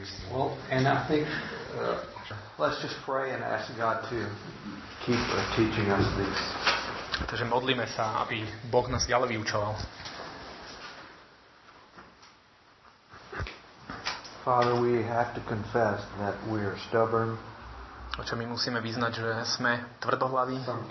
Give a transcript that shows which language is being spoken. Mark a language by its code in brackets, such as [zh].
[en] Well, and I think let's just pray and ask God to keep teaching us this. [sk] Takže modlíme sa, aby Boh nás ďalej vyučoval. [en] Father, we have to confess that we are stubborn. [sk] Oče, my musíme vyznať, že sme tvrdohlaví.